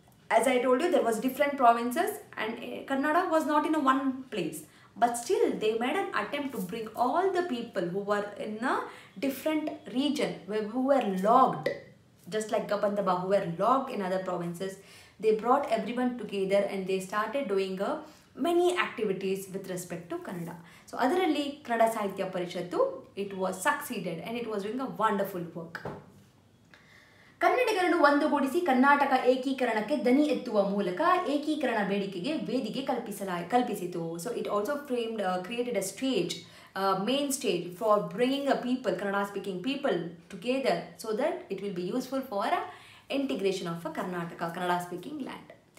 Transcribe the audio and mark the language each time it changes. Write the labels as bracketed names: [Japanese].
[English] As I told you there was different provinces and Kannada was not in a one place but still they made an attempt to bring all the people who were in a different region who were locked just like Kabandaba who were locked in other provinces they brought everyone together and they started doing a many activities with respect to Kannada. So adaralli Kannada Sahitya Parishattu, it was succeeded and it was doing a wonderful work. [Kannada] ಕನ್ನಡಿಗರನ್ನು ಒಂದುಗೂಡಿಸಿ ಕರ್ನಾಟಕ ಏಕೀಕರಣಕ್ಕೆ ದನಿ ಎತ್ತುವ ಮೂಲಕ ಏಕೀಕರಣ ಬೇಡಿಕೆಗೆ ವೇದಿಕೆ ಕಲ್ಪಿಸಿತು. [English] So it also framed created a stage main stage for bringing a people Kannada speaking people together so that it will be useful for a integration of a Karnataka Kannada speaking land.